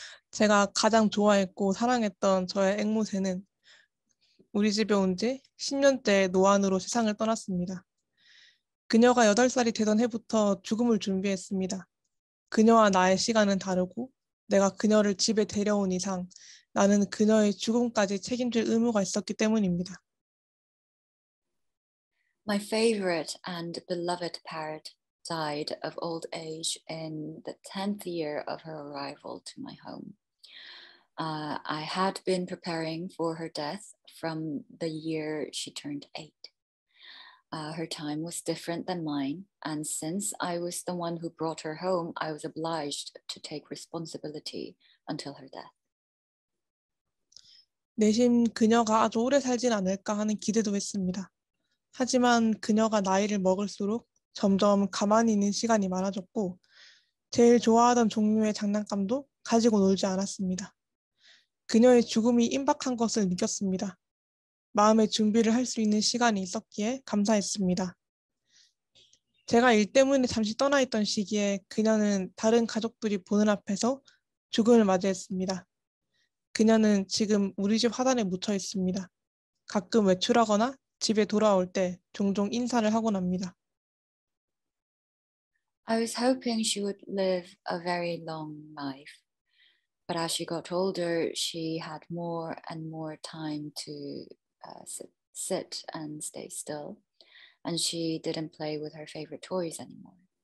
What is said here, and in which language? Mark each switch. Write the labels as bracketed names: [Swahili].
[Korean] 제가 가장 좋아했고 사랑했던 저의 앵무새는 우리 집에 온지 10년째 노안으로 세상을 떠났습니다. 그녀가 8살이 되던 해부터 죽음을 준비했습니다. 그녀와 나의 시간은 다르고 내가 그녀를 집에 데려온 이상 나는 그녀의 죽음까지 책임질 의무가 있었기 때문입니다. [English] My favorite and beloved parrot died of old age in the 10th year of her arrival to my home. I had been preparing for her death from the year she turned 8. Her time was different than mine, and since I was the one who brought her home, I was obliged to take responsibility until her death. [Korean] 내심 그녀가 아주 오래 살진 않을까 하는 기대도 했습니다. 하지만 그녀가 나이를 먹을수록 점점 가만히 있는 시간이 많아졌고, 제일 좋아하던 종류의 장난감도 가지고 놀지 않았습니다. 그녀의 죽음이 임박한 것을 느꼈습니다. 마음의 준비를 할수 있는 시간이 있었기에 감사했습니다. 제가 일 때문에 잠시 떠나 있던 시기에 그녀는 다른 가족들이 보는 앞에서 죽음을 맞이했습니다. 그녀는 지금 우리 집 화단에 묻혀 있습니다. 가끔 외출하거나 집에 돌아올 때 종종 인사를 하곤 합니다. [English] I was hoping she would live a very long life, but as she got older, she had more and more time to sit and stay still, and she didn't play with her favorite toys anymore.